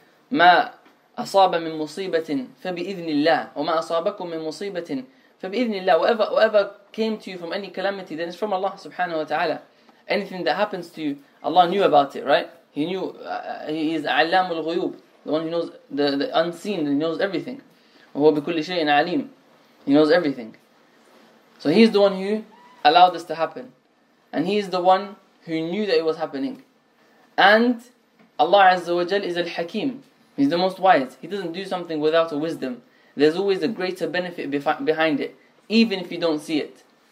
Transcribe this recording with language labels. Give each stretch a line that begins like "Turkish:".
Arabic: مَا أَصَابَ مِن مُصِيبَةٍ فَبِإِذْنِ اللَّهِ وَمَا أَصَابَكُم مِن مُصِيبَةٍ فَبِإِذْنِ اللَّهِ.
English: Whatever came to you from any calamity, then it's from Allah subhanahu wa ta'ala. Anything that happens to you, Allah knew about it, right? He knew, he is عَلَّامُ الْغُيُوبِ, the one who knows the unseen, he knows everything.
Arabic: وَهُوَ بِكُلِّ شَيْءٍ عَلِيمٍ,
English: he knows everything. So he's the one who allowed this to happen. And he is the one who knew that it was happening. And Allah Azza wa Jal is Al-Hakim. He's the most wise. He doesn't do something without a wisdom. There's always a greater benefit behind it, even if you don't see it.